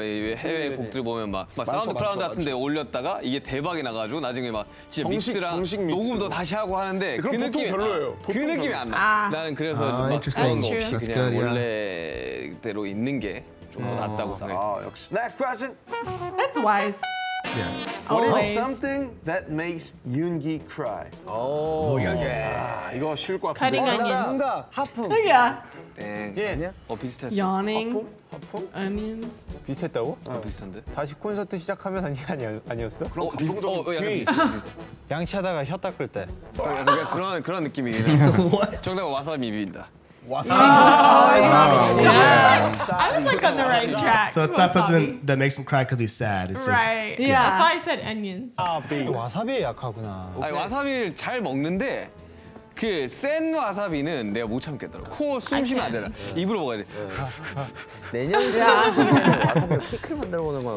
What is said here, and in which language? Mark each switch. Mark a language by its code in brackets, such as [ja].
[ko] 해외 곡들 보면 막 사운드 클라우드 같은데 올렸다가 이게 대박이 나가지고 나중에 막 진짜 믹스랑 녹음도 다시 하고 하는데 그 느낌이 별로예요. 그 느낌이 안 나. 나는 그래서 막 그런 거 없이 그냥 원래대로 있는 게 좀 더 낫다고 생각해요. [en] Next question. That's wise. Yeah. What always. Is something that makes Yoongi cry? Oh, yeah. Yeah. [ko] 이거 쉬울 것 [en] cutting [ko] 같은데. [en] Cutting onions. [ko] 정답. 하품. 여기야. [en] Yeah. [ko] 땡. 아니야? 비슷했어. [en] Yawning. [ko] 하품? 하품? Onions. 비슷했다고? 어. 비슷한데? 다시 콘서트 시작하면 아니었어? 그럼 비슷해. 약간 비슷해. 양치하다가 혀 닦을 때. 그런 느낌이. [en] What? [ko] 정답은 와사비 비빈다. [en] I was like on the right track. So it's not something that makes him cry because he's sad. It's right. Just, yeah. yeah. That's why I said onions. [ko] Wasabi 약하구나. 아니 와사비를 잘 먹는데 그 센 와사비는 내가 못 참겠더라고. 코 숨 쉬면 안 되나? 입으로 먹어야 돼. 내년에 와사비 케이크 만들어 보는 거야.